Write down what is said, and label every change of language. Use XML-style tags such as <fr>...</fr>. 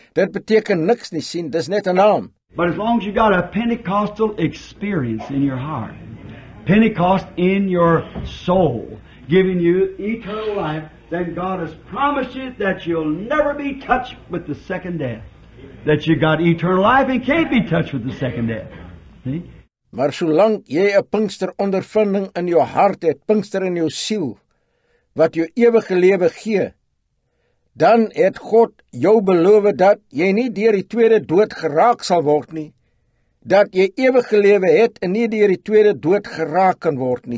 <af>Dit beteken niks nie, sien, dis net 'n naam.</af> <en>But as long as you got a Pentecostal experience in your heart, Pentecost in your soul, giving you eternal life, then God has promised you that you'll never be touched with the second death. That you got eternal life and can't be touched with the second death. See?</en> <af>Maar solank jy 'n Pinkster ondervinding in jou hart het, Pinkster in jou siel, wat jou ewige lewe gee, dan het God jou beloof dat jy nie deur die tweede dood geraak sal word nie, dat jy ewige lewe het en nie deur die tweede dood geraak kan word nie.</af>